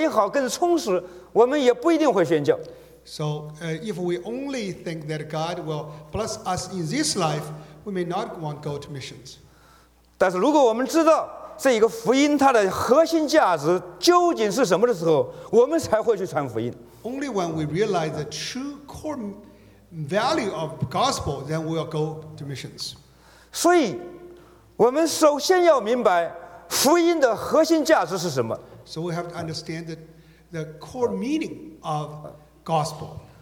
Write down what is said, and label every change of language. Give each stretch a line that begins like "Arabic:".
Chinese: 如果我们仅仅知道上帝可以这一个祝福我们今生能够过得更美好、更充实，我们也不一定会宣教。
English: So if we only think that God will bless us in this life, we may not want to go to missions.
Chinese: 但是如果我们知道这一个福音它的核心价值究竟是什么的时候，我们才会去传福音。
English: Only when we realize the true core value of gospel, then we will go to missions.
Chinese: 所以，我们首先要明白福音的核心价值是什么。
English: So we have to understand the core meaning of gospel.